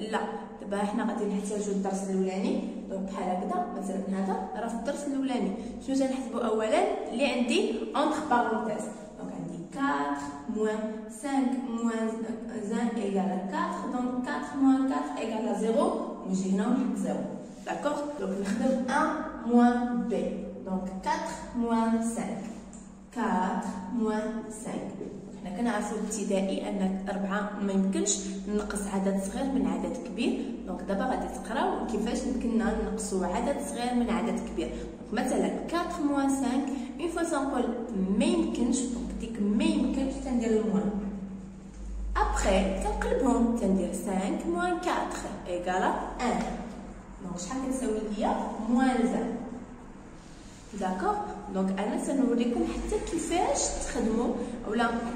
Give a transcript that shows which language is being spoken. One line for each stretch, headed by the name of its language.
Arabic: لا، دابا حنا غادي نحتاجو الدرس الاولاني. دونك بحال هكذا مثلا، هذا راه في الدرس الاولاني. شنو تنحسبو اولا؟ اللي عندي اونتر بارونتيز. دونك عندي 4 موان 5 موان 1 ايغال 4. دونك 4 موان 4 ايغال 0، نجي هنا ونحط 0.
French: D'accord. Donc, nous faisons 1 moins B. Donc, 4 moins 5. 4 moins 5.
Arabic: حنا كنعرفو ابتدائي انك 4 ما يمكنش نقص عدد صغير من عدد كبير. دونك دابا غادي تقراو كيفاش يمكننا نقصوا عدد صغير من عدد كبير. مثلا 4 موان 5 اون فوا سانبول ما يمكنش ديك ما يمكنش تندير الموان ابخي كنقلبهم تندير 5 موان 4 ايكالا 1 دونك شحال كنساوي ليا موان 1 داكوغ دونك انا سنوريكم حتى كيفاش تخدموا اولا